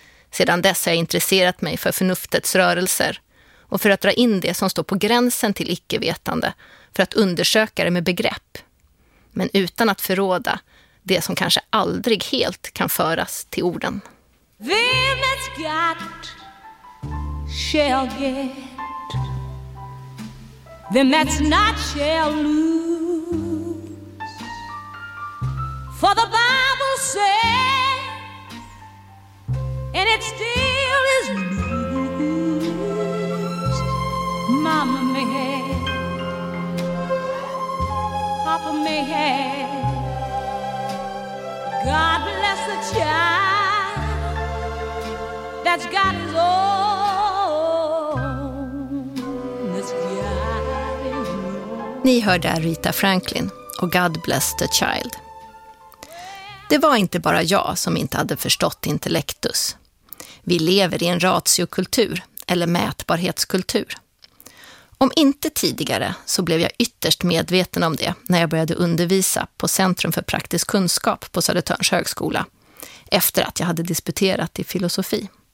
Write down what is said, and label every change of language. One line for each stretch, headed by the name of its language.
Swedish: Sedan dess har jag intresserat mig för förnuftets rörelser och för att dra in det som står på gränsen till icke-vetande för att undersöka det med begrepp, men utan att förråda det som kanske aldrig helt kan föras till orden.
English: Them that's got shall get, them that's not shall lose, for the Bible says. And it still is news. Mama may have, Papa may have, God bless the child that's got his own. That's got his own.
Swedish: Ni hörde Aretha Franklin och God bless the child. Det var inte bara jag som inte hade förstått intellectus. Vi lever i en ratiokultur eller mätbarhetskultur. Om inte tidigare så blev jag ytterst medveten om det när jag började undervisa på Centrum för praktisk kunskap på Södertörns högskola efter att jag hade disputerat i filosofi.